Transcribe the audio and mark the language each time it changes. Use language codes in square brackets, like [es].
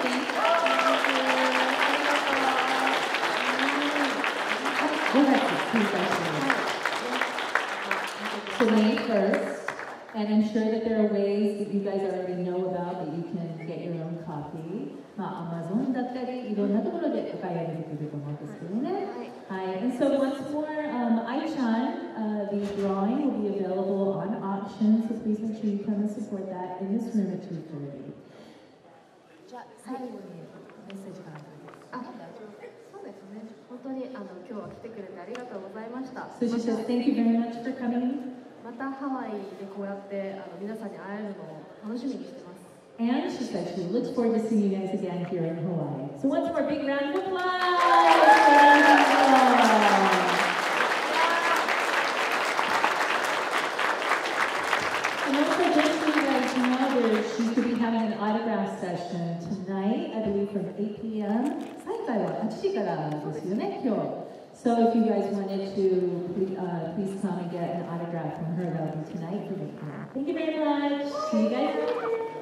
[en] Thank you. Thank you. Thank you. Thank you. Thank you. So May 1st, and I'm sure that there are ways that you guys already know about that you can get your own copy. [ja] Amazon だったり、いろんなところでお買い上げできると思うんですけどね。はい。 [en] And so once more, Aichan, the drawing will be available on auction, so please make sure you come and support that in this room at 2:30. [ja] じゃあ、最後にメッセージからです。あ、そうですね。本当に今日は来てくれてありがとうございました。 [en] So she says, thank you very much for coming. [ja] またハワイでこうやって皆さんに会えるのを楽しみにしてます。 [en] And she said she looks forward to seeing you guys again here in Hawaii. So once more, big round of applause! And also, just so you guys know, she's going to be having an autograph session tonight, I believe from 8 p.m. [ja] 最後は8時からですよね、今日。 [en] So if you guys wanted to, please come and get an autograph from her, that'll be tonight for 8 p.m. Thank you very much! See you guys later!